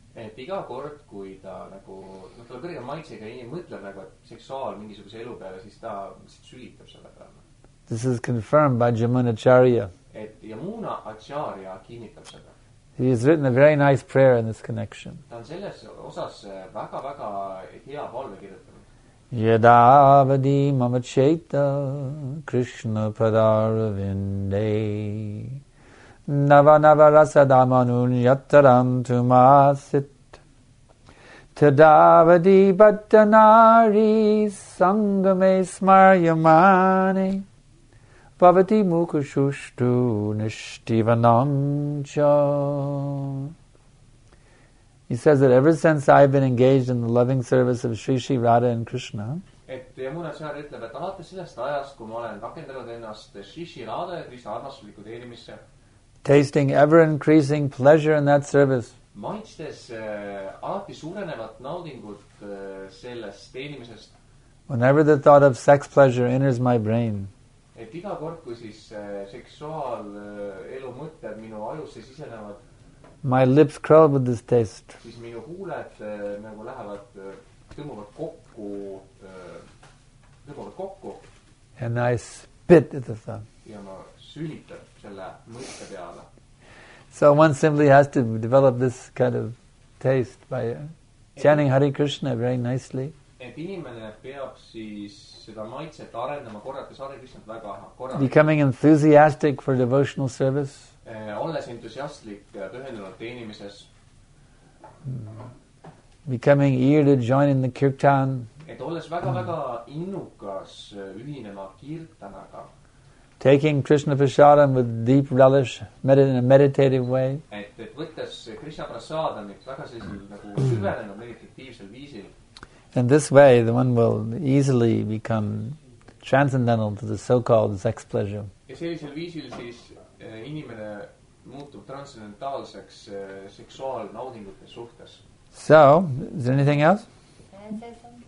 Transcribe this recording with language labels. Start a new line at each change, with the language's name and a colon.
Estonian: Et iga kord, kui ta nagu, no tule kõrge maitsega ei mõtle nagu, et seksuaal mingisuguse elu peale, siis ta sülitab selle peale.
English: This is confirmed by Jamunacharya.
Estonian: Et Yamuna Acharya kinnitab seda.
English: He has written a very nice prayer in this connection.
Estonian: Ta on selles osas väga-väga hea palve kirjutanud.
Sanskrit: Yadavadi mamacheta Krishna padaravinde Nava nava rasadamanun yataram tumasit Tadavadi bhattanari sangame smaryamani Bhavati mukushushtu nishtivanamcha.
English: He says that ever since I have been engaged in the loving service of Sri Sri Radha and Krishna,
Estonian: et Yamuna Acharya ütleb, et alates sellest ajast, kui ma olen rakendanud ennast Sri Sri Radha ja Krishna armastusliku teenimisse,
English: tasting ever-increasing pleasure in that service.
Estonian: Maitstes alati suurenevat naudingut sellest teenimisest.
English: Whenever the thought of sex pleasure enters my brain.
Estonian: Et iga kord, kui siis seksuaal elu mõtteb minu ajusse sisenevad.
English: My lips curl with this taste.
Estonian: Siis minu huuled nagu lähevad, tõmmuvad kokku.
English: And I spit at the thumb.
Estonian: Ja ma sülitan selle mõtte peale.
English: So one simply has to develop this kind of taste by chanting Hare Krishna very nicely.
Estonian: Et inimene peab siis seda maitset arendama korrates Hare Krishnat väga korralikult.
English: Becoming enthusiastic for devotional service.
Estonian: Olles entusiastlik pühendunud teenimises.
English: Becoming eager to join in the kirtan.
Estonian: Et olles väga-väga innukas ühinema kirtanaga.
English: Taking Krishna prasadam with deep relish, in a meditative way.
Estonian: Et võttes Krishna prasadamit väga sellisel süvenenud meditatiivsel viisil.
English: In this way, the one will easily become transcendental to the so-called sex pleasure.
Estonian: Ja sellisel viisil siis inimene muutub transcendentaalseks seksuaalnaudingute suhtes.
English: So, is there anything else? Can I say something?